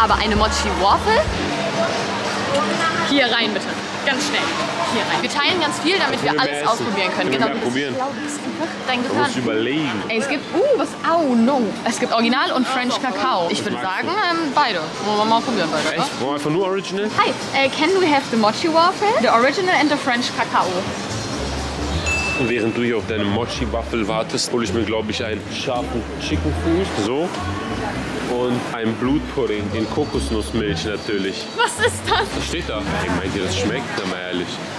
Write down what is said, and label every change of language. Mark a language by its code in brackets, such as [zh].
[de] Aber eine Mochi-Waffel. Hier rein bitte. Ganz schnell. Hier rein. Wir teilen ganz viel, damit wir alles ausprobieren können. Genau. Probieren. Dein Gehirn. Du musst überlegen. Es gibt, was, au, no. Es gibt Original und French Kakao. Ich würde sagen, beide. Wollen wir mal probieren, beide. Echt? Wollen wir einfach nur Original? [en] Hi, can we have the Mochi Waffle? The Original and the French Kakao. [de] Während du hier auf deine Mochi-Waffel wartest, hole ich mir, glaube ich, einen scharfen Chicken-Fuß. So. Und einen Blutpudding in Kokosnussmilch natürlich. Was ist das? Das steht da. Ey, meint ihr, das schmeckt? Sag mal ehrlich.